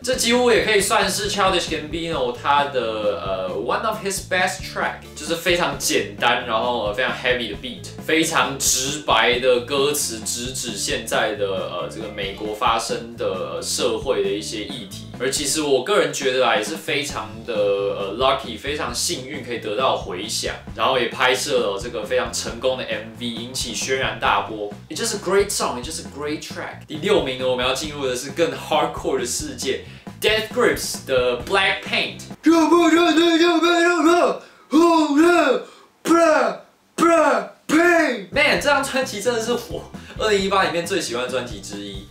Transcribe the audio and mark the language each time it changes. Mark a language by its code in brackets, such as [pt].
[zh] 这几乎也可以算是 Childish Gambino 他的 one of his best track，就是非常简单，然后非常 heavy 的 beat， 非常直白的歌词，直指现在的这个美国发生的社会的一些议题。而其实我个人觉得啊，也是非常的lucky， 非常幸运可以得到回响，然后也拍摄了这个非常成功的 MV， 引起轩然大波。 [en] It's just a great song, it's just a great track。 [zh] 第六名呢，我们要进入的是更 hardcore 的世界 ，Death Grips 的 Black Paint。 Man， 这张专辑真的是我2018里面最喜欢的专辑之一。